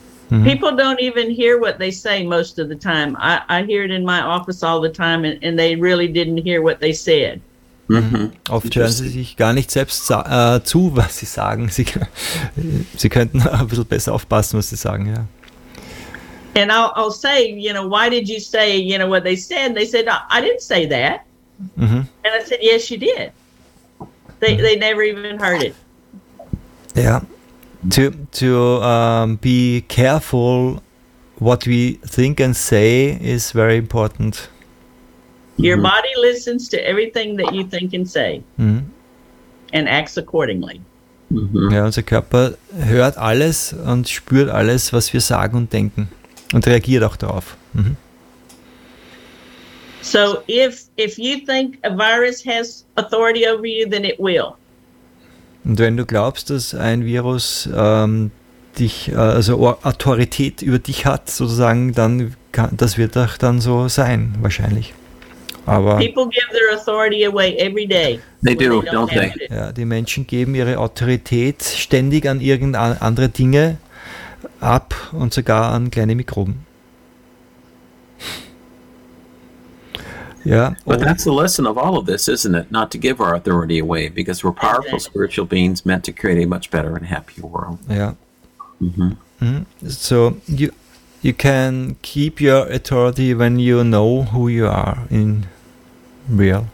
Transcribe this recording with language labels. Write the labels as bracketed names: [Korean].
[English] People don't even hear what they say most of the time. I hear it in my office all the time, and they really didn't hear what they said. [German] Oft hören sie sich gar nicht selbst zu, was sie sagen. Sie könnten ein bisschen besser aufpassen, was sie sagen, ja. [English] And I'll say, you know, why did you say, you know, what they said? And they said, I didn't say that. Mm-hmm. And I said, yes, you did. They never even heard it. Yeah. To be careful what we think and say is very important. Your body listens to everything that you think and say and acts accordingly. Mm-hmm. [German] Ja, unser Körper hört alles und spürt alles, was wir sagen und denken und reagiert auch darauf. Mm-hmm. [English] So if you think a virus has authority over you, then it will. [German] Und wenn du glaubst, dass ein Virus dich, also Autorität über dich hat, sozusagen, dann kann, das wird doch dann so sein, wahrscheinlich. Aber [English] people give their authority away every day. They do, don't they? [German] Ja, die Menschen geben ihre Autorität ständig an irgendeine andere Dinge ab und sogar an kleine Mikroben. [English] Yeah. But that's the lesson of all of this, isn't it? Not to give our authority away, because we're powerful spiritual beings meant to create a much better and happier world. Yeah. Mm-hmm. Mm-hmm. So you can keep your authority when you know who you are in real.